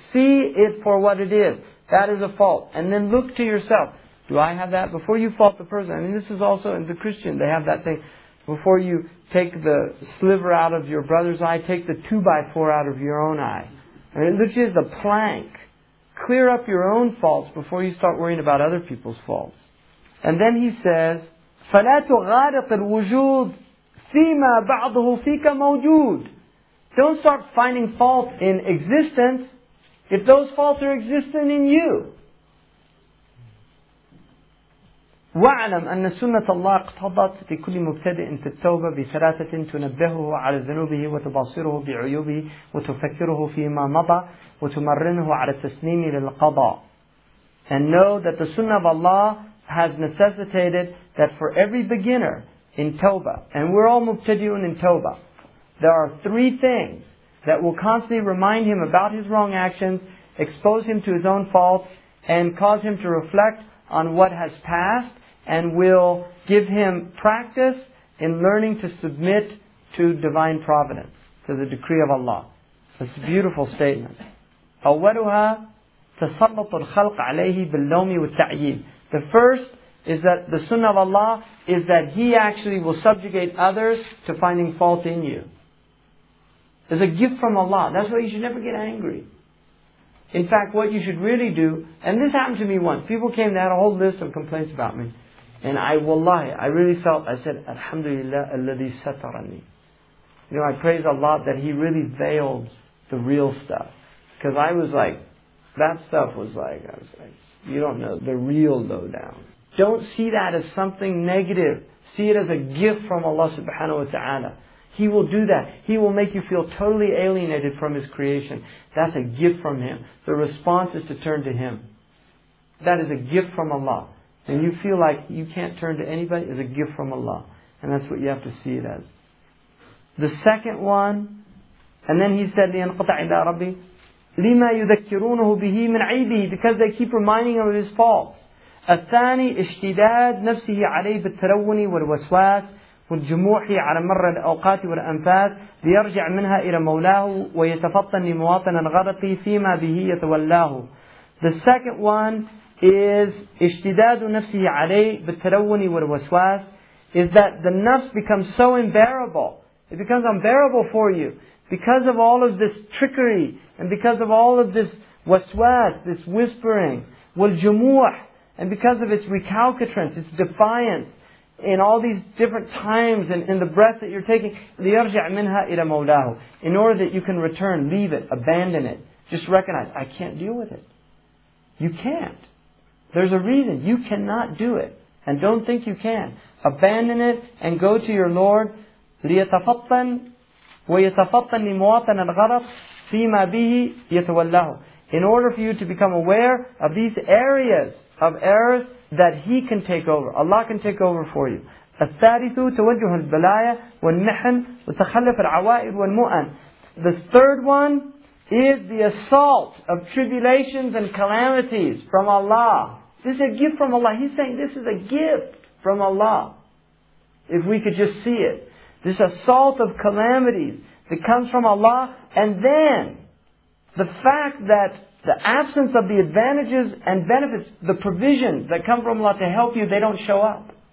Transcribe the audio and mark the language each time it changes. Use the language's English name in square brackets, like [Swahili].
[English] See it for what it is. That is a fault. And then look to yourself. Do I have that? Before you fault the person. I mean, this is also in the Christian. They have that thing. Before you take the sliver out of your brother's eye, take the 2x4 out of your own eye. I mean, it literally is a plank. Clear up your own faults before you start worrying about other people's faults. And then he says, [Arabic] فَلَا تُغَارِقِ الْوُجُودِ فِيمَا بَعْضُهُ فِيكَ مَوْجُودِ. [English] Don't start finding fault in existence if those faults are existing in you. [Arabic] وَعْلَمْ أَنَّ سُنَّةَ اللَّهِ اقْتَضَتْ لِكُلِّ مُبْتَدِئٍ فِي التَّوْبَةِ بِثَلَاثَةٍ تُنَبِّهُهُ عَلَى ذُنُوبِهِ وَتُبَصِّرُهُ بِعُيُوبِهِ وَتُفَكِّرُهُ فِيمَا مَضَى وَتُمَرِّنُهُ عَلَى التَّسْلِيمِ لِلْقَضَاءِ. [English] And know that the Sunnah of Allah has necessitated that for every beginner in Tawbah, and we're all Mubtadi'un in Tawbah, there are three things that will constantly remind him about his wrong actions, expose him to his own faults, and cause him to reflect on what has passed, and will give him practice in learning to submit to Divine Providence, to the decree of Allah. That's a beautiful statement. [Arabic] أولها تسلط الخلق عليه باللوم والتعيين. [English] The first is that the Sunnah of Allah is that He actually will subjugate others to finding fault in you. It's a gift from Allah. That's why you should never get angry. In fact, what you should really do, and this happened to me once. People came, they had a whole list of complaints about me. And I really felt, [Arabic] Alhamdulillah, alladhi satarani. [English] You know, I praise Allah that He really veiled the real stuff. Because I was like, that stuff was like, you don't know the real lowdown. Don't see that as something negative. See it as a gift from Allah subhanahu wa ta'ala. He will do that. He will make you feel totally alienated from His creation. That's a gift from Him. The response is to turn to Him. That is a gift from Allah. And you feel like you can't turn to anybody, is a gift from Allah. And that's what you have to see it as. The second one, and then he said, [Arabic] لِيَنْقَطَعْ إِلَىٰ رَبِّي لِمَا يُذَكِّرُونَهُ بِهِ مِنْ عِيدِهِ, [English] because they keep reminding him of his faults. [Arabic] الثاني اشتداد نفسه عليه بالتلون والوسواس والجموح على مر الأوقات والأنفاس ليرجع منها إلى مولاه ويتفطن لمواطن الغرق فيما به يتولاه. [English] The second one is [Arabic] اشتداد نفسه عليه بالتلون والوسواس, [English] is that the nafs becomes so unbearable. It becomes unbearable for you because of all of this trickery and because of all of this waswas, this whispering. والجموح, and because of its recalcitrance, its defiance, in all these different times and in the breath that you're taking, [Arabic] لِيَرْجِعْ مِنْهَا إِلَى مَوْلَاهُ, [English] in order that you can return, leave it, abandon it. Just recognize, I can't deal with it. You can't. There's a reason. You cannot do it. And don't think you can. Abandon it and go to your Lord. [Arabic] لِيَتَفَطَّنْ وَيَتَفَطَّنْ لِمُوَاطَنَ الْغَرَطْ فِيمَا بِهِ يَتَوَلَّهُ, [English] in order for you to become aware of these areas of errors that He can take over. Allah can take over for you. [Arabic] الثالث توجه البلايا والمحن وتخلف العوائد والمؤن. [English] The third one is the assault of tribulations and calamities from Allah. This is a gift from Allah. He's saying this is a gift from Allah. If we could just see it. This assault of calamities that comes from Allah, and then the fact that the absence of the advantages and benefits, the provisions that come from Allah to help you, they don't show up.